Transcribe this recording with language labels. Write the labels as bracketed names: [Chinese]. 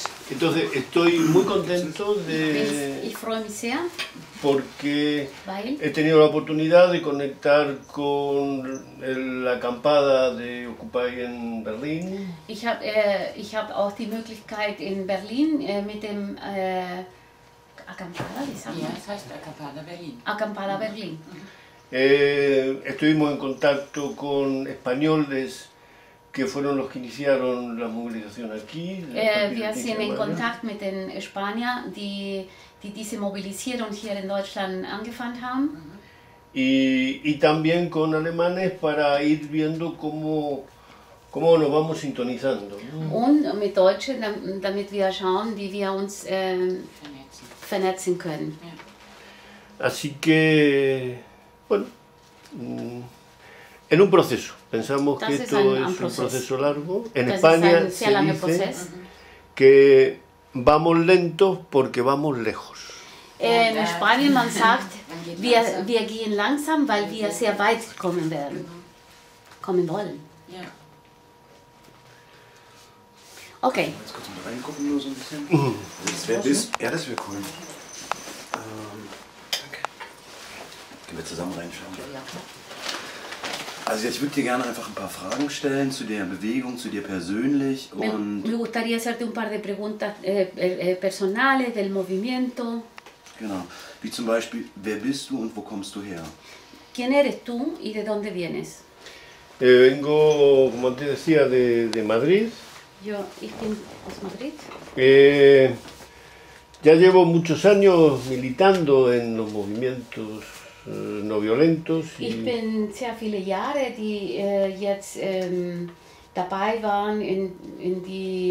[Spanish] Entonces estoy muy contento de porque he tenido la oportunidad de conectar con la acampada de Occupy en Berlín. [German] Ich habe auch die Möglichkeit in Berlin mit dem acampada, wie sagt man? Acampada Berlin. [Spanish] Acampada Berlín. Estuvimos en contacto con españoles que fueron los que iniciaron la movilización aquí. [German] Wir sind in Kontakt mit den Spaniern, die diese Mobilisierung hier in Deutschland angefangen haben. [Spanish] Y también con alemanes para ir viendo cómo nos vamos sintonizando. [German] Und mit Deutschen, damit wir schauen, wie wir uns vernetzen können. [Spanish] Así que, bueno, en un proceso. Pensamos [German] das [Spanish] que esto es un proceso largo. En [German] das [Spanish] España se dice proceso. Que vamos lentos porque vamos lejos. En España [German] man sagt, wir gehen langsam, weil wir sehr weit kommen werden. Kommen wollen. Ja. Okay. Das wäre cool. Danke. Gehen wir zusammen reinschauen. Ja. Also ich würde dir gerne einfach ein paar Fragen stellen zu der Bewegung, zu dir persönlich und... [Spanish] Me gustaría hacerte un par de preguntas personales del movimiento. [German] Genau. Wie zum Beispiel, wer bist du und wo kommst du her? [Spanish] ¿Quién eres tú y de dónde vienes? Vengo, como te decía, de Madrid. Yo, [German] ich bin aus Madrid. [Spanish] Ya llevo muchos años militando en los movimientos no violentos. [German] Ich bin sehr viele Jahre, die jetzt dabei waren in die